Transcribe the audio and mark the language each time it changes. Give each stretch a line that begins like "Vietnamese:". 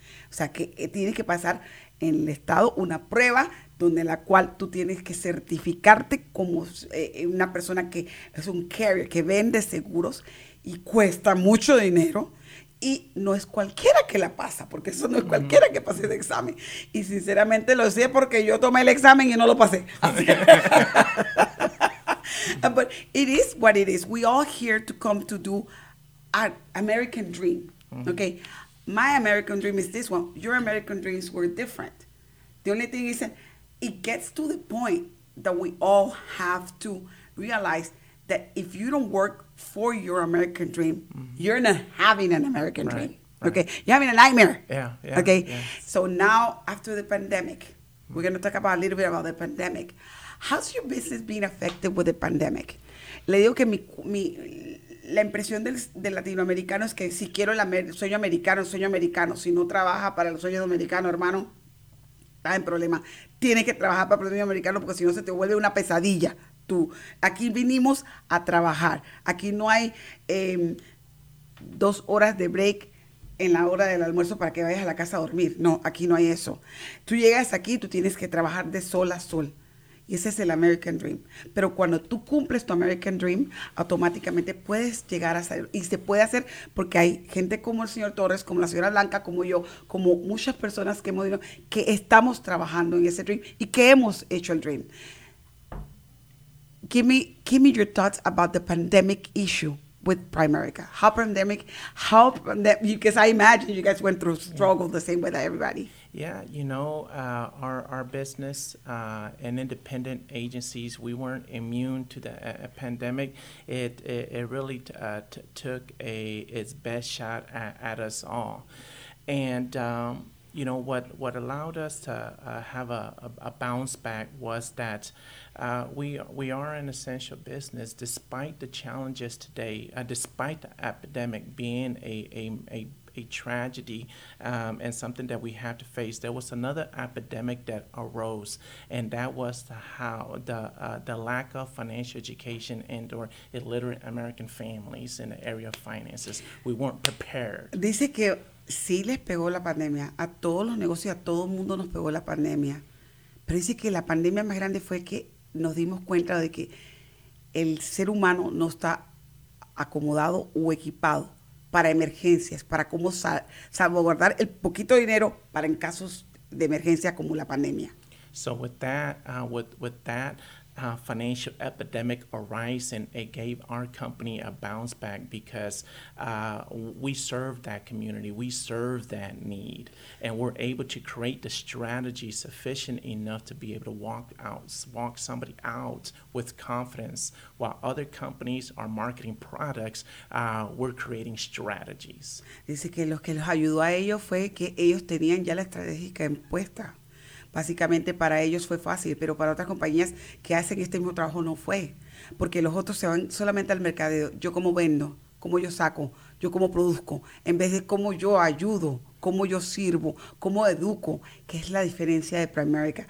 Spanish: O sea, que tienes que pasar en el estado una prueba donde la cual tú tienes que certificarte como una persona que es un carrier, que vende seguros y cuesta mucho dinero. Y no es cualquiera que la pasa, porque eso no es cualquiera que pase ese examen. Y sinceramente lo decía porque yo tomé el examen y no lo pasé.
English: But it is what it is. We all here to come to do our American dream. Mm-hmm. Okay. My American dream is this one. Your American dreams were different. The only thing is that it gets to the point that we all have to realize that if you don't work for your American dream, mm-hmm. you're not having an American dream. Right. Okay. You're having a nightmare. Yeah. Yeah. Okay. Yeah. So now after the pandemic, mm-hmm. we're going to talk about a little bit about the pandemic. How's your business being affected with the pandemic?
Spanish: Le digo que la impresión del latinoamericano es que si quiero el sueño americano, si no trabaja para el sueño americano, hermano, estás en problema. Tienes que trabajar para el sueño americano porque si no se te vuelve una pesadilla. Tú, aquí vinimos a trabajar. Aquí no hay 2 horas de break en la hora del almuerzo para que vayas a la casa a dormir. No, aquí no hay eso. Tú llegas aquí, tú tienes que trabajar de sol a sol. Y ese es el American Dream. Pero cuando tú cumples tu American Dream, automáticamente puedes llegar a salir. Y se puede hacer porque hay gente como el señor Torres, como la señora Blanca, como yo, como muchas personas que hemos dicho que estamos trabajando en ese dream y que hemos hecho el dream.
English: Give me your thoughts about the pandemic issue with Primerica. Because I imagine you guys went through struggle the same way that everybody. Yeah, you know, our business and independent agencies, we weren't immune to the pandemic. It really took its best shot at us all. And, you know, what allowed us to have a bounce back was that we are an essential business despite the challenges today, despite the epidemic being a tragedy and something that we have to face. There was another epidemic that arose, and that was the lack of financial education and or illiterate American families in the area of finances. We weren't prepared.
Spanish: Dice que sí les pegó la pandemia. A todos los negocios, a todo el mundo nos pegó la pandemia. Pero dice que la pandemia más grande fue que nos dimos cuenta de que el ser humano no está acomodado o equipado para emergencias, para cómo salvaguardar el poquito dinero para en casos de emergencia como la pandemia.
English: So with that financial epidemic arising, it gave our company a bounce back because we serve that community, we serve that need, and we're able to create the strategy sufficient enough to be able to walk somebody out with confidence. While other companies are marketing products, we're creating strategies.
Spanish: Dice que lo que los ayudó a ellos fue que ellos tenían ya la estrategia impuesta. Básicamente para ellos fue fácil, pero para otras compañías que hacen este mismo trabajo no fue, porque los otros se van solamente al mercadeo. Yo cómo vendo, cómo yo saco, yo cómo produzco, en vez de cómo yo ayudo, cómo yo sirvo, cómo educo, que es la diferencia de Primerica.